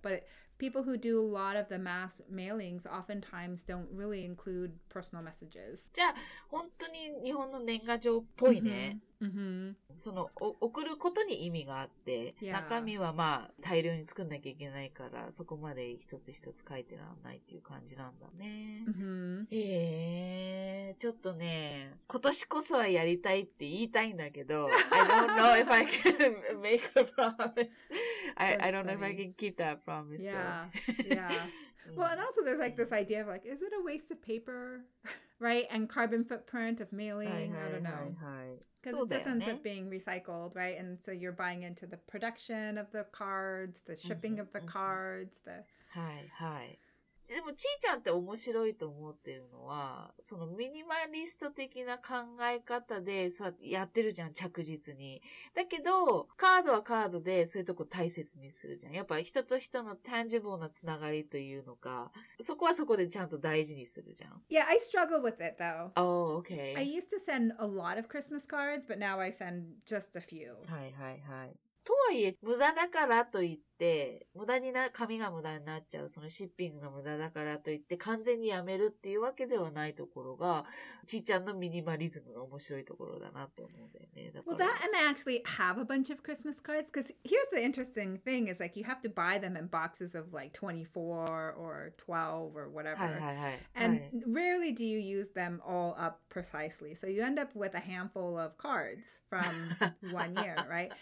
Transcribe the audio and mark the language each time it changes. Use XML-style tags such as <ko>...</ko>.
<en>But people who do a lot of the mass mailings oftentimes don't really include personal messages.</en> <ja>じゃあ、本当に日本の年賀状っぽいね。</ja> <en>Mm-hmm.</en> <ja>その、送ることに意味があって、</ja> <en>yeah.</en> <ja>中身はまあ、大量に作んなきゃいけないから、そこまで一つ一つ書いてらんないっていう感じなんだね。</ja> <en>Mm-hmm.</en> <ja>ちょっとね、今年こそはやりたいって言いたいんだけど、</ja> <en>I don't know if I can make a promise. I don't know if I can keep that promise. Yeah. Yeah. Well, and also there's like this idea of like, is it a waste of paper? right? And carbon footprint of mailing,</en> <ja>はいはい、</ja> <en>I don't know. Because it doesn't end up being recycled, right? And so you're buying into the production of the cards, the shipping of the cards, the...</en> <ja>はいはい。でもちーちゃんって面白いと思ってるのは、そのミニマリスト的な考え方でそうやってるじゃん、着実に。だけど、カードはカードでそういうとこ大切にするじゃん。やっぱ人と人の tangible なつながりというのか、そこはそこでちゃんと大事にするじゃん。</ja> <en>Yeah, I struggle with it though. Oh, okay. I used to send a lot of Christmas cards, but now I send just a few.</en> <ja>はいはいはい。とはいえ、無駄だからといって、無駄にな、紙が無駄になっちゃう、そのシッピングが無駄だからといって、完全にやめるっていうわけではないところが、ちーちゃんのミニマリズムが面白いところだなと思うんだよね。だから</ja> <en>well, that and I actually have a bunch of Christmas cards, because here's the interesting thing, is like, you have to buy them in boxes of like 24 or 12 or whatever.</en> <ja>はいはいはい。</ja> <en>And rarely do you use them all up precisely. So you end up with a handful of cards from one year, right?</en>